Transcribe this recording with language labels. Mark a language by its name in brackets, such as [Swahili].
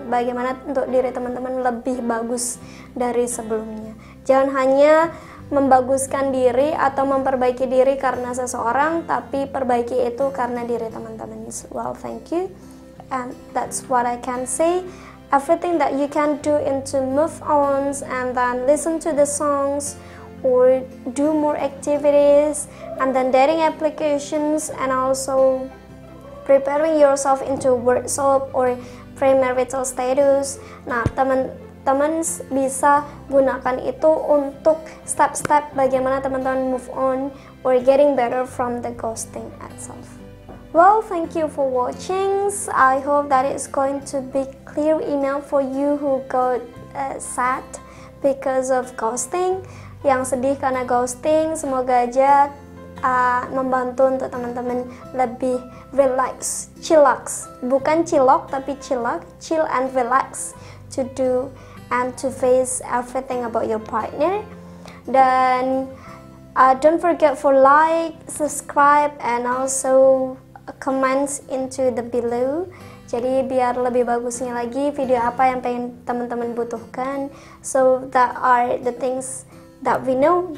[Indonesian] Bagaimana untuk diri teman-teman lebih bagus dari sebelumnya. Jangan hanya membaguskan diri atau memperbaiki diri karena seseorang, tapi perbaiki itu karena diri teman-teman. [English] Well, thank you. And that's what I can say. Everything that you can do into move on and then listen to the songs or do more activities and then dating applications and also preparing yourself into workshop or premarital status. [Indonesian] Nah, teman-teman bisa gunakan itu untuk step-step bagaimana teman-teman move on [English] or getting better from the ghosting itself. Well, thank you for watching. I hope that it's going to be clear enough for you who got sad because of ghosting. [Indonesian] Yang sedih karena ghosting, semoga aja membantu untuk teman-teman lebih relax, chillax. Bukan chillock, tapi chillax, [English] chill and relax to do and to face everything about your partner. Dan don't forget for like, subscribe, and also comments into the below. [Indonesian] Jadi biar lebih bagusnya lagi video apa yang pengen teman-teman butuhkan. [English] So that are the things that we know.